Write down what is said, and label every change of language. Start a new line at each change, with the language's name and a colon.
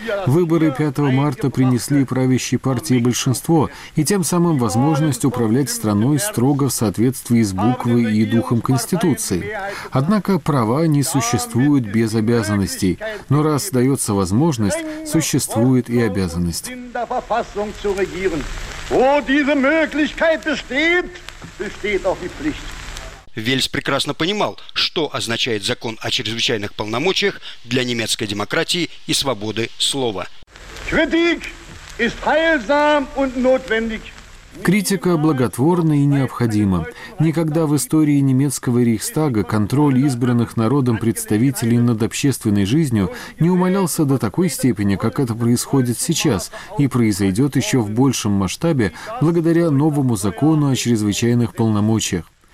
Russian: Выборы 5 марта принесли правящей партии большинство и тем самым возможность управлять страной строго в соответствии с буквой и духом Конституции. Однако права не существуют без обязанностей, но раз дается возможность, существует и обязанность.
German: Zu regieren. Wo diese Möglichkeit besteht, besteht auch die Pflicht.
Russian: Вельс прекрасно понимал, что означает закон о чрезвычайных полномочиях для немецкой демократии и свободы слова.
German: Kritik ist heilsam und notwendig.
Russian: Критика благотворна и необходима. Никогда в истории немецкого Рейхстага контроль избранных народом представителей над общественной жизнью не умалялся до такой степени, как это происходит сейчас, и произойдет еще в большем масштабе благодаря новому закону о чрезвычайных полномочиях.